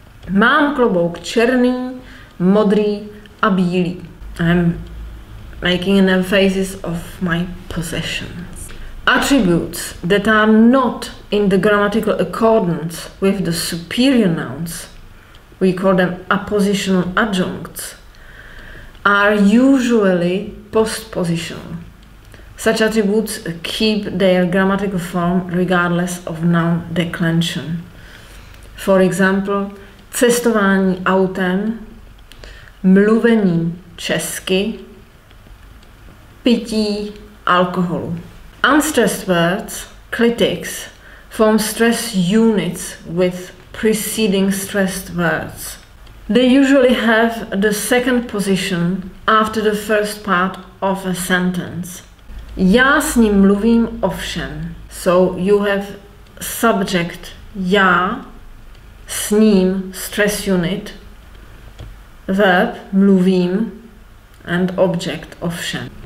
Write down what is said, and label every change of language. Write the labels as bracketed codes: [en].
[cs] Mám klobouk černý, modrý a bílý. [en] I'm making an emphasis of my possessions. Attributes that are not in the grammatical accordance with the superior nouns, we call them appositional adjuncts, are usually post-positional. Such attributes keep their grammatical form regardless of noun declension. For example, [cs] cestování autem, mluvení česky, pití alkoholu. [en] Unstressed words, clitics, form stress units with preceding stressed words. They usually have the second position after the first part of a sentence. [cs] Já s ním mluvím o všem. [en] So you have subject já, s ním, stress unit, verb, mluvím, and object, ovšem.